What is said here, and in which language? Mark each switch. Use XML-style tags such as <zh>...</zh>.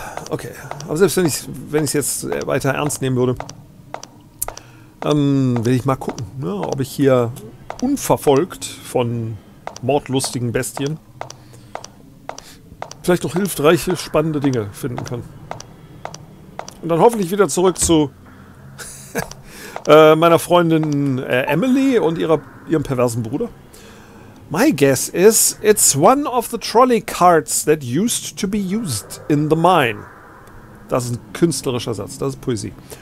<de>Okay, aber selbst wenn ich es jetzt weiter ernst nehmen würde, will ich mal gucken, ne, ob ich hier unverfolgt von mordlustigen Bestien vielleicht doch hilfreiche, spannende Dinge finden kann. Und dann hoffentlich wieder zurück zu meiner Freundin Emily und ihrem perversen Bruder.</de> <en>My guess is, it's one of the trolley carts that used to be used in the mine.</en> <de>Das ist ein künstlerischer Satz, das ist Poesie.</de>